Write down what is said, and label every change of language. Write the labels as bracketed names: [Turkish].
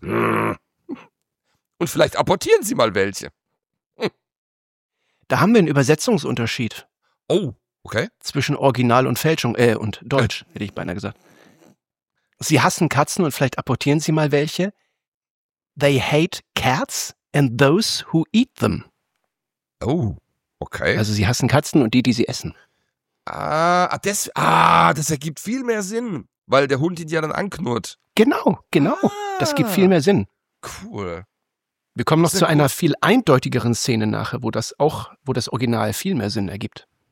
[German] Und vielleicht apportieren sie mal welche. Da haben wir einen Übersetzungsunterschied. Oh, okay. Zwischen Original und Fälschung, und Deutsch, hätte ich beinahe gesagt. Sie hassen Katzen und vielleicht apportieren sie mal welche. [English] They hate cats and those who eat them. [German] Oh, okay. Also sie hassen Katzen und die sie essen. Das ergibt viel mehr Sinn, weil der Hund ihn ja dann anknurrt. Genau. Das gibt viel mehr Sinn. Cool. Wir kommen noch zu einer viel eindeutigeren Szene nachher, wo das Original viel mehr Sinn ergibt.